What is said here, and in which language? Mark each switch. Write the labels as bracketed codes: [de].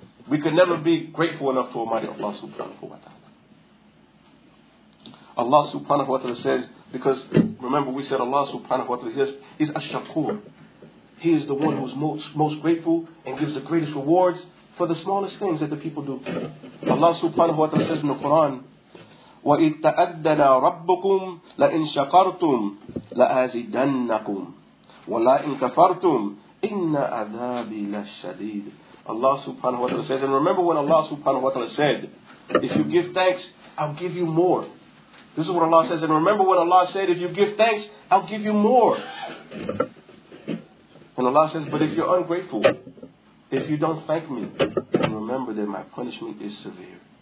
[en] We can never be grateful enough to Almighty Allah subhanahu wa ta'ala. Allah subhanahu wa ta'ala says, because remember we said Allah subhanahu wa ta'ala says, is ash-shakur. He is the one who is most grateful and gives the greatest rewards for the smallest things that the people do. Allah subhanahu wa ta'ala says in the Quran, [ar] وَإِذْ تَأَذَّنَا رَبُّكُمْ لَإِنْ شَكَرْتُمْ لَأَزِدَنَّكُمْ وَلَإِنْ كَفَرْتُمْ إِنَّ عَذَابِي لَشَّدِيدٌ. [en] Allah subhanahu wa ta'ala says, and remember when Allah subhanahu wa ta'ala said, if you give thanks, I'll give you more. This is what Allah says, and remember what Allah said, if you give thanks, I'll give you more. And Allah says, but if you're ungrateful, if you don't thank me, then remember that my punishment is severe.